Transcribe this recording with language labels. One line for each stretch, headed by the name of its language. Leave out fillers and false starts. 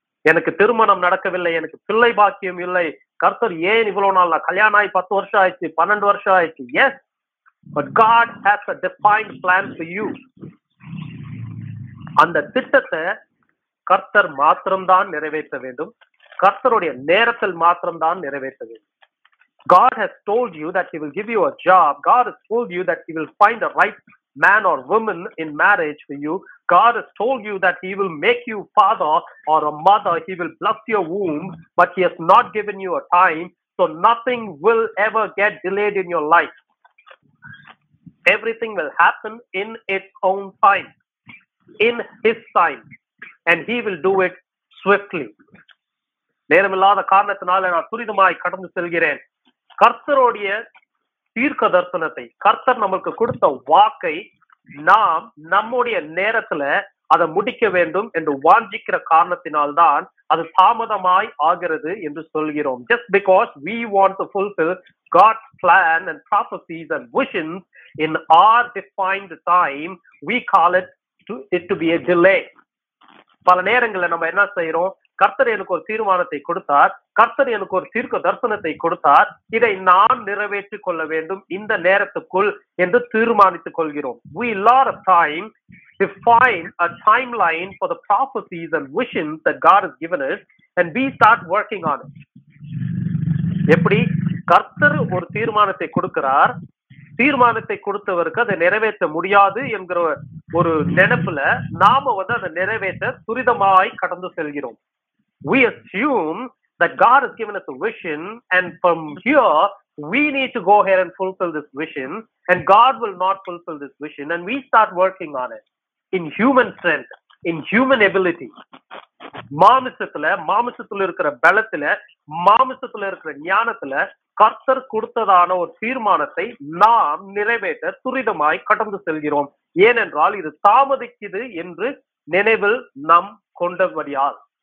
Tamil: எனக்கு திருமணம் நடக்கவில்லை, எனக்கு பிள்ளை பாக்கியம் இல்லை, கர்த்தர் ஏன் இவ்வளவு நாள், நான் கல்யாணம் ஆகி 10 வருஷம் ஆயிடுச்சு, 12 வருஷம் ஆயிடுச்சு.
English: Yes, but God has a defined plan for you.
Tamil: அந்த திட்டத்தை கர்த்தர் மாத்திரம்தான் நிறைவேற்ற வேண்டும், கர்த்தருடைய நேரத்தில் மாத்திரம்தான் நிறைவேற்ற வேண்டும்.
English: God has told you that he will give you a job. God has told you that he will find a right man or woman in marriage for you. God has told you that he will make you father or a mother. He will bless your womb, but he has not given you a time. So nothing will ever get delayed in your life. Everything will happen in its own time, in his time. And he will do it swiftly.
Tamil: நேரம் இல்லாத காரணத்தினால நான் துரிதமாய் கடந்து செல்கிறேன். கர்த்தருடைய தீர்க்க தரிசனத்தை, கர்த்தர் நமக்கு கொடுத்த வாக்கை நாம் நம்முடைய நேரத்துல அதை முடிக்க வேண்டும் என்று வாஞ்சிக்கிற காரணத்தினால்தான் அது தாமதமாய் ஆகிறது என்று சொல்கிறோம்.
English: Just because we want to fulfill God's plan and prophecies and visions in our defined time, we call it to be a delay.
Tamil: பல நேரங்களில் நம்ம என்ன செய்யறோம், கர்த்தர் எனக்கு ஒரு தீர்மானத்தை கொடுத்தார், கர்த்தர் எனக்கு ஒரு தீர்க்க தரிசனத்தை கொடுத்தார், இதை நான் நிறைவேற்றி கொள்ள வேண்டும் இந்த நேரத்துக்குள் என்று தீர்மானித்துக் கொள்கிறோம்.
English: We lot of time define a timeline for the prophecies and visions that God has given us and we start working on it.
Tamil: எப்படி கர்த்தர் ஒரு தீர்மானத்தை கொடுக்கிறார், தீர்மானத்தை கொடுத்தவருக்கு அதை நிறைவேற்ற முடியாது என்கிற ஒரு நினைப்புல நாம வந்து அதை நிறைவேற்ற துரிதமாய் கடந்து செல்கிறோம்.
English: We assume that God has given us a vision and from here we need to go ahead and fulfill this vision and God will not fulfill this vision and we start working on it in human strength, in human ability.
Tamil: மாமிசத்துல, மாமிசத்துல இருக்கிற பலத்துல, மாமிசத்துல இருக்கிற ஞானத்துல கர்த்தர் கொடுத்ததான ஒரு தீர்மானத்தை நாம் நிறைவேற்ற துரிதமாய் கடந்து செல்கிறோம். ஏனென்றால் இது தாமதிக்குது என்று நினைவில் நாம் கொண்டபடியால்.